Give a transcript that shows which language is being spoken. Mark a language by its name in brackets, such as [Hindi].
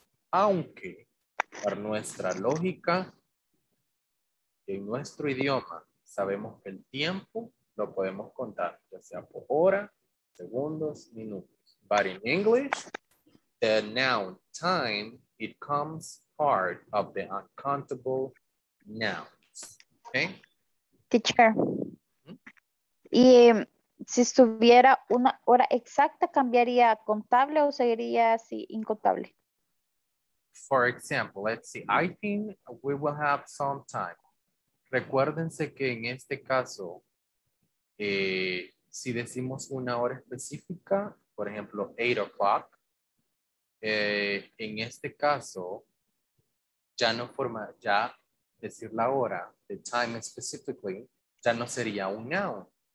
[Spanish] Aunque, para nuestra lógica, en nuestro idioma, sabemos que el tiempo lo podemos contar, ya sea por hora, segundos, minutos. [English] But in English, the noun time, it comes part of the uncountable nouns. Okay? [Spanish] Teacher, ¿y si estuviera una hora exacta, cambiaría contable o seguiría así incontable? [English] For example, let's see. I think we will have some time. [Spanish] Recuérdense que en este caso, si decimos una hora específica, por ejemplo, 8 o'clock, en este caso, ya no forma, ya decir la hora, [English] the time specifically, [Spanish] ya no sería un noun.